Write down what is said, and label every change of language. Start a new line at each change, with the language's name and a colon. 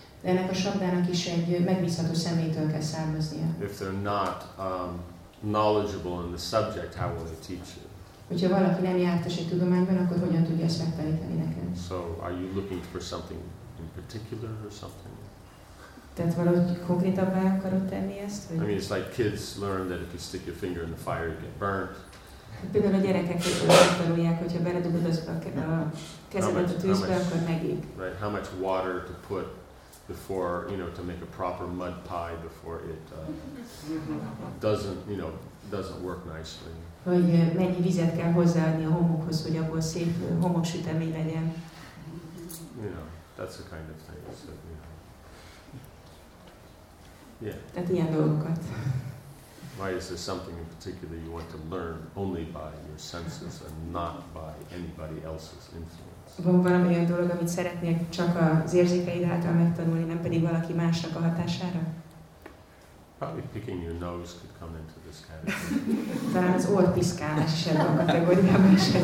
Hungarian: De ennek a shabdának is egy megbízható személytől kell származnia.
English: If they're not knowledgeable in the subject, how will they teach it?
Hungarian: Hogyha valaki nem jártas egy tudományban, akkor hogyan tudja ezt megtanítani neked?
English: So are you looking for something in particular or something?
Hungarian: Tehát valahogy konkrétabbá akarod tenni ezt? Vagy?
English: I mean, it's like kids learn that if you stick your finger in the fire, you get burnt.
Hungarian: Például a gyerekek megtanulják, hogyha beledugod a kezedet a tűzbe, akkor megég.
English: Right, how much water to put before, you know, to make a proper mud pie before it doesn't work nicely.
Hungarian: Hogy mennyi vizet kell hozzáadni a homokhoz, hogy abból szép homoksütemény legyen.
English: You know, that's the kind of thing. So, you know. Yeah.
Hungarian: Tehát ilyen dolgokat.
English: Why is there something in particular you want to learn only by your senses and not by anybody else's influence?
Hungarian: Van valami olyan dolog, amit szeretnék csak az érzékeid által megtanulni, nem pedig valaki másnak a hatására?
English: Probably picking your nose could come into this category.
Hungarian: Talán az old piszkálás is ebben a kategóriában is.